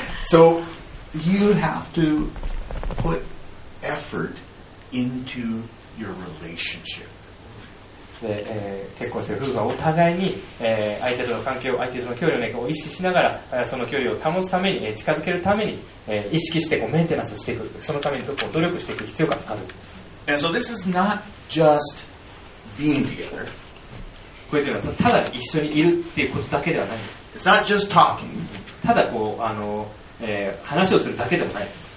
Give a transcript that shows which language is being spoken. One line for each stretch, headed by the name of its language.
English: So you have to put effort into your relationship.
Japanese: で、結婚している夫婦はお互いに、相手との関係を相手との距離を、ね、意識しながらその距離を保つために近づけるために、意識してこうメンテナンスしていく、そのためにこう努力していく必要があるんです。
English: And so this is not just being together.
Japanese: これというのはただ一緒にいるっていうことだけではないんです。
English: It's not just talking.
Japanese: ただこうあの、話をするだけでもないんです。